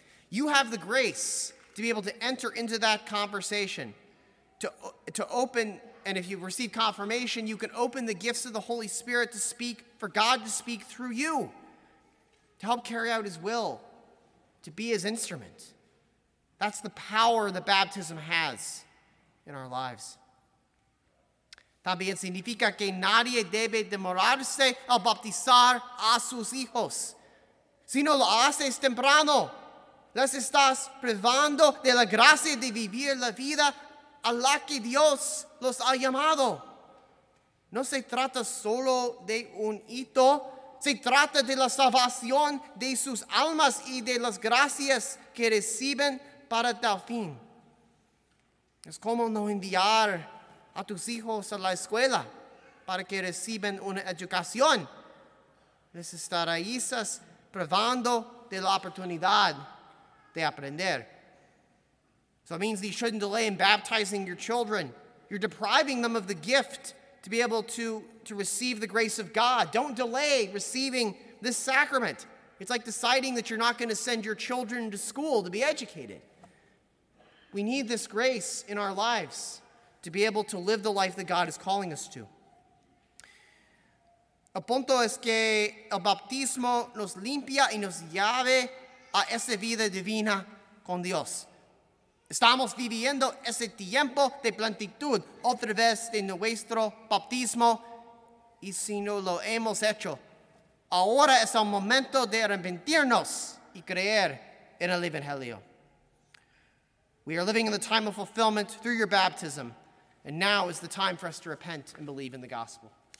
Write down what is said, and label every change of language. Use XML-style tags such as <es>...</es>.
<en>You have the grace to be able to enter into that conversation, to open, and if you receive confirmation, you can open the gifts of the Holy Spirit to speak, for God to speak through you, to help carry out his will, to be his instrument. That's the power that baptism has in our lives.</en> <es>También significa que nadie debe demorarse al bautizar a sus hijos. Si no lo haces temprano, les estás privando de la gracia de vivir la vida a la que Dios los ha llamado. No se trata solo de un hito, se trata de la salvación de sus almas y de las gracias que reciben para tal fin. Es como no enviar a tus hijos a la escuela para que reciban una educación. Les estarás privando de la oportunidad de aprender.</es> <en>So it means that you shouldn't delay in baptizing your children. You're depriving them of the gift to be able to receive the grace of God. Don't delay receiving this sacrament. It's like deciding that you're not going to send your children to school to be educated. We need this grace in our lives to be able to live the life that God is calling us to.</en> <es>El punto es que el bautismo nos limpia y nos lleva a esa vida divina con Dios. Estamos viviendo ese tiempo de plenitud otra vez de nuestro bautismo. Y si no lo hemos hecho, ahora es el momento de arrepentirnos y creer en el Evangelio.</es> <en>We are living in the time of fulfillment through your baptism. And now is the time for us to repent and believe in the gospel.</en>